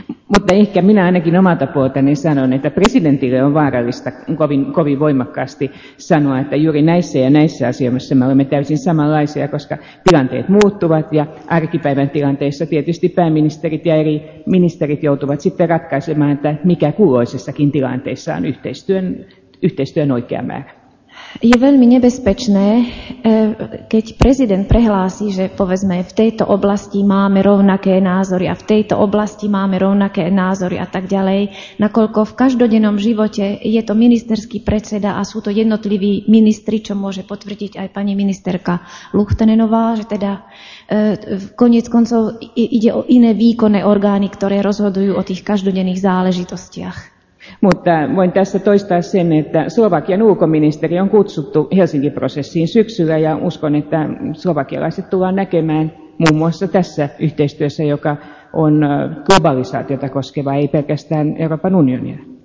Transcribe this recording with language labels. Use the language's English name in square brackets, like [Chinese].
[Finnish] Mutta ehkä minä ainakin omalta puoltani sanon, että presidentille on vaarallista kovin voimakkaasti sanoa, että juuri näissä ja näissä asioissa me olemme täysin samanlaisia, koska tilanteet muuttuvat ja arkipäivän tilanteissa tietysti pääministerit ja eri ministerit joutuvat sitten ratkaisemaan, että mikä kulloisessakin tilanteessa on yhteistyön oikea määrä. [Slovak] Je veľmi nebezpečné, keď prezident prehlási, že povedzme v tejto oblasti máme rovnaké názory a v tejto oblasti máme rovnaké názory a tak ďalej, nakoľko v každodennom živote je to ministerský predseda a sú to jednotliví ministri, čo môže potvrdiť aj pani ministerka Luchtenenová, že teda koniec koncov ide o iné výkonné orgány, ktoré rozhodujú o tých každodenných záležitostiach. [Finnish] Mutta voin tässä toistaa sen, että Slovakian ulkoministeri on kutsuttu Helsinki-prosessiin syksyllä ja uskon, että slovakialaiset tullaan näkemään muun muassa tässä yhteistyössä, joka on globalisaatiota koskeva, ei pelkästään Euroopan unionia.